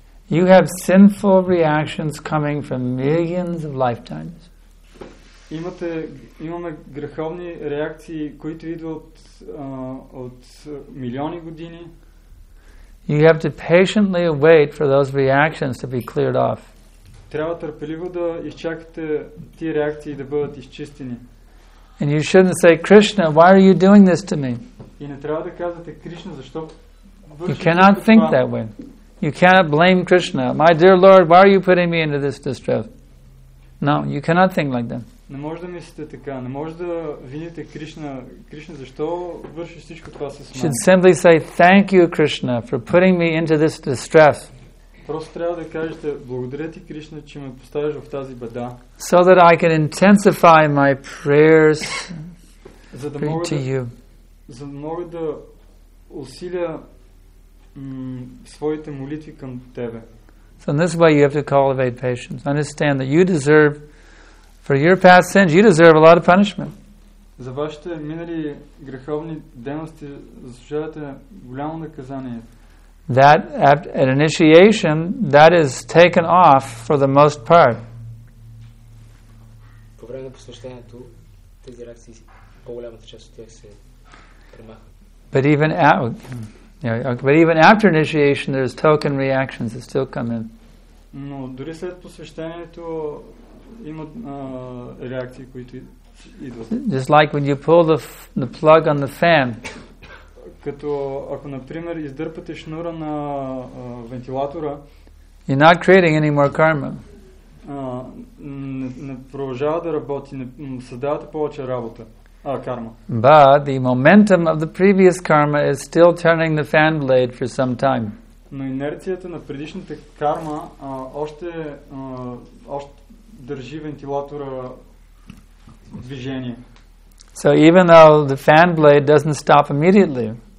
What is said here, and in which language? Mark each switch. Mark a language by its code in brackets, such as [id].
[en] You have sinful reactions coming from millions of lifetimes. [bg] Имаме греховни реакции, които идват от милиони години. [en] You have to patiently wait for those reactions to be cleared off. [bg] Трябва търпеливо да изчакате тия реакции да бъдат изчистени. [en] And you shouldn't say, Krishna, why are you doing this to me? [bg] И не трябва да казвате, Кришна, защо? [en] You cannot think that way. You cannot blame Krishna. My dear Lord, why are you putting me into this distress? No, you cannot think like that. [bg] Не може да мислите така. Не може да вините Кришна. Кришна, защо вършиш всичко това с мен? [en] You should simply say, thank you, Krishna, for putting me into this distress. [bg] Просто трябва да кажете, благодаря ти, Кришна, че ме поставиш в тази беда. [en] So that I can intensify my prayers to you. [bg] За да мога да усиля своите молитви към тебе. [en] So in this way you have to cultivate patience. Understand that you deserve, for your past sins, you deserve a lot of punishment. [bg] За вашите минали греховни дейности заслужавате голямо наказание. [en] That at initiation, that is taken off for the most part. [bg] По време на посвещението тези реакции, по-голямата част от тях се премахват. [en] But even at... but even after initiation, there's token reactions that still come in. [bg] Но дори след посвещението имат реакции, които идват. [en] Just like when you pull the plug on the fan. [bg] Като ако, например, издърпате шнура на вентилатора. [en] You're not creating any more karma. [bg] Не продължава да работи, не създавате повече работа. [en] Karma. But the momentum of the previous karma is still turning the fan blade for some time. [bg] на инерцията на предишната карма още, още държи вентилатора в движение. [en] So even though the fan blade doesn't stop immediately.